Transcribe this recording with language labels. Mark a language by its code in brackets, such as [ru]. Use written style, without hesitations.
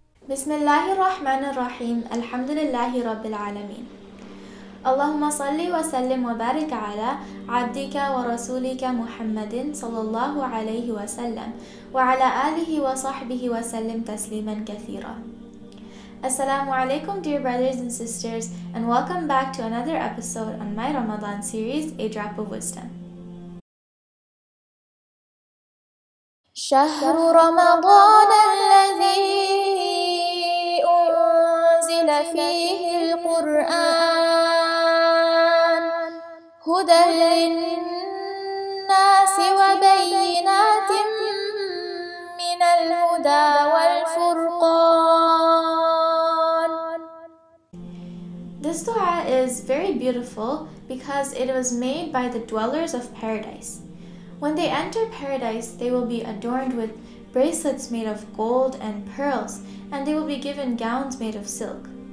[ar] بسم الله الرحمن الرحيم الحمد لله رب العالمين اللهم صل وسلم وبارك على عبدك ورسولك محمد صلى الله عليه وسلم وعلى آله وصحبه وسلم تسليما كثيرا. [en] Assalamu alaikum dear brothers and sisters and welcome back to another episode on my Ramadan series, A Drop of Wisdom. [ar] شهر رمضان الذي أنزل فيه القرآن هدى للناس وبينات من الهدى والفرقان. [en] This dua is very beautiful because it was made by the dwellers of paradise. When they enter paradise, they will be adorned with bracelets made of gold and pearls, and they will be given gowns made of silk.